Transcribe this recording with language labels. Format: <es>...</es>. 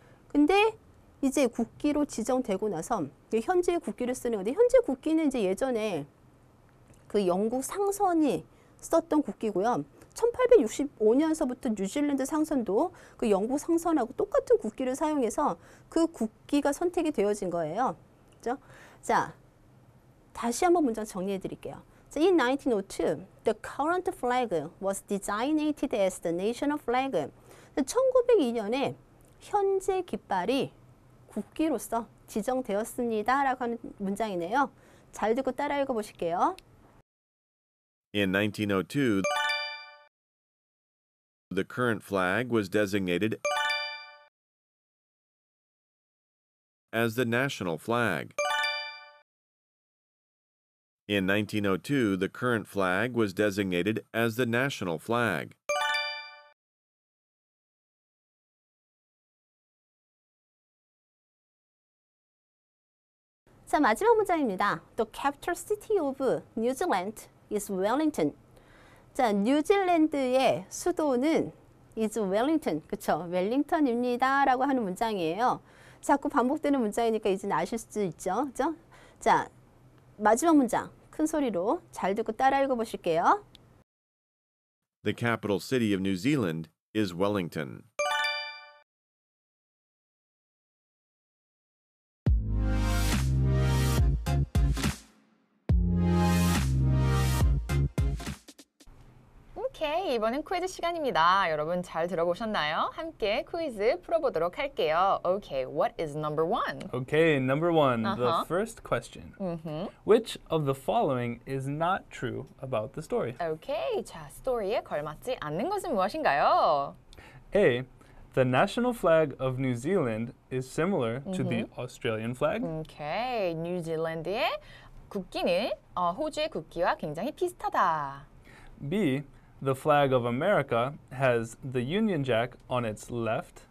<ko>근데 이제 국기로 지정되고 나서 현재의 국기를 쓰는 건데 현재 국기는 이제 예전에 그 영국 상선이 썼던 국기고요. 1865년서부터 뉴질랜드 상선도 그 영국 상선하고 똑같은 국기를 사용해서 그 국기가 선택이 되어진 거예요. 그렇죠? 자, 다시 한번 문장 정리해 드릴게요.</ko> <en>So in 1902, the current flag was designated as the national flag.</en> <ko>1902년에 현재 깃발이 국기로서 지정되었습니다. 라고 하는 문장이네요. 잘 듣고 따라 읽어 보실게요.</ko> <en>In 1902, the current flag was designated as the national flag. In 1902, the current flag was designated as the national flag.</en> <ko>So, 마지막 문장입니다.</ko> <en>The capital city of New Zealand is Wellington.</en> <ko>자, 뉴질랜드의 수도는</ko> <en>is Wellington,</en> <ko>그렇죠? 웰링턴입니다 라고 하는 문장이에요. 자꾸 반복되는 문장이니까 이제는 아실 수 있죠, 그렇죠? 자, 마지막 문장, 큰 소리로 잘 듣고 따라 읽어보실게요.</ko> <en>The capital city of New Zealand is Wellington.</en> <ko>오케이, 이번엔 퀴즈 시간입니다. 여러분 잘 들어보셨나요? 함께 퀴즈 풀어보도록 할게요.</ko> <en>오케이, what is number one? 오케이, number one, uh-huh. the first question. Uh-huh. Which of the following is not true about the story?</en> <ko>오케이, 자, 스토리에 걸맞지 않는 것은 무엇인가요?</ko> <en>A, the national flag of New Zealand is similar uh-huh. to the Australian flag.</en> <ko>오케이, 뉴질랜드의 국기는 호주의 국기와 굉장히 비슷하다.</ko> <en>B, the flag of America has the Union Jack on its left.</en>